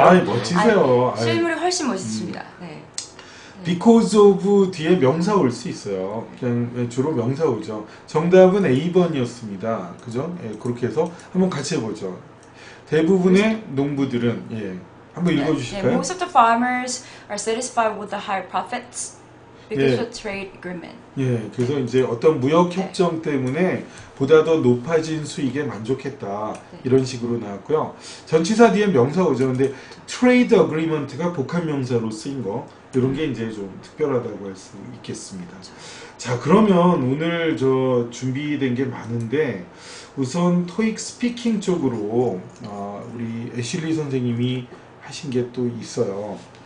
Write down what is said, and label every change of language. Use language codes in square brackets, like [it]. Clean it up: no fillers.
[ko] 아, 멋지세요. 아니, 실물이 훨씬 멋있습니다. 'Because of' 뒤에 명사 올 수 있어요. 그냥 주로 명사 오죠. 정답은 A번이었습니다. 그죠? 예, 그렇게 해서 한번 같이 해보죠. 대부분의 농부들은 예, 한번 읽어주실까요? [en] Yeah, most of the farmers are satisfied with the high profits because 예. of trade agreement. [ko] 예, 그래서 이제 어떤 무역 협정 네. 때문에 보다 더 높아진 수익에 만족했다 네. 이런 식으로 나왔고요. 전치사 뒤에 명사 오죠. 근데 trade agreement가 복합 명사로 쓰인 거. 이런 게 이제 좀 특별하다고 할 수 있겠습니다. 자, 그러면 오늘 저 준비된 게 많은데 우선 토익 스피킹 쪽으로 우리 애슐리 선생님이 하신 게 또 있어요.